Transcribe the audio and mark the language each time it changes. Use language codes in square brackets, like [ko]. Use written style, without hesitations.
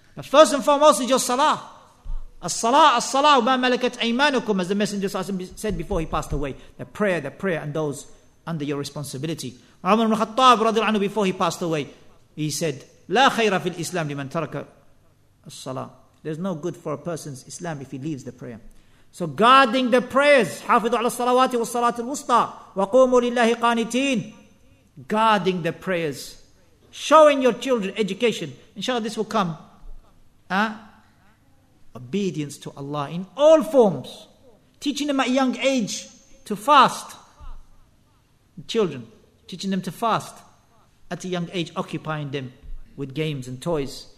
[en] But first and foremost is your salah. [ar] As-salah, wa ma malakat aymanukum, [en] as the Messenger said before he passed away. The prayer, and those under your responsibility. Umar ibn Khattab, radiallahu anhu, before he passed away, he said, [ar] la khayra fil Islam liman taraka as-salah. [en] There's no good for a person's Islam if he leaves the prayer. So guarding the prayers, [ar] حافظوا على الصلوات والصلاة الوسطى وقوموا لله قانتين. [en] Guarding the prayers, showing your children education. Inshallah, this will come. Obedience to Allah in all forms, teaching them at a young age to fast. Children, teaching them to fast at a young age, occupying them with games and toys.